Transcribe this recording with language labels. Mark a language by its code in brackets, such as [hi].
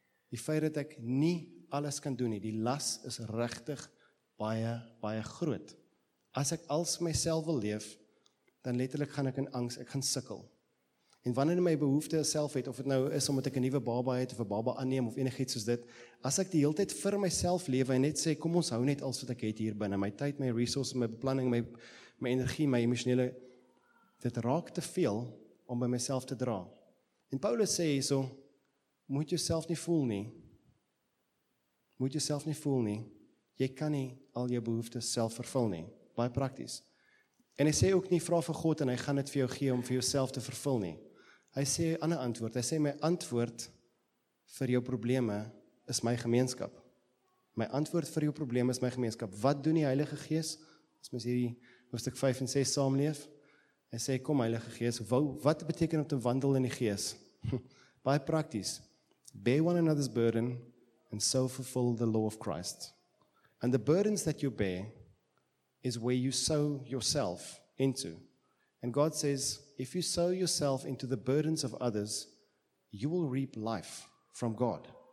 [af] Die feit dat ek nie alles kan doen nie, die las is regtig baie, baie groot. As ek als myself wil leef, dan letterlik gaan ek in angst, ek gaan sukkel. En wanneer my behoefte self het, of het nou is omdat ek een nieuwe baba het, of een baba aanneem, of enigheid soos dit, as ek die hele tijd vir myself leef en net sê, kom ons hou net als wat ek het hier binnen, my tijd, my resources, my beplanning, my energie, my emotionele, dit raak te veel om by myself te dra. En Paulus sê so, moet jouself nie voel nie, jy kan nie al jou behoeftes self vervul nie, baie prakties. En hy sê ook nie, vraag vir God en hy gaan dit vir jou gee om vir jouself te vervul nie. Hy sê een ander antwoord, hy sê my antwoord vir jou probleme is my gemeenskap. My antwoord vir jou probleme is my gemeenskap. Wat doen die Heilige Gees, as mys hierdie hoofstuk 5 en 6 saamleef? Hy sê, kom Heilige Gees, wat beteken om te wandel in die Gees? Baie prakties. [en] Bear one another's burden and so fulfill the law of Christ. And the burdens that you bear is where you sow yourself into. And God says, if you sow yourself into the burdens of others, you will reap life from God.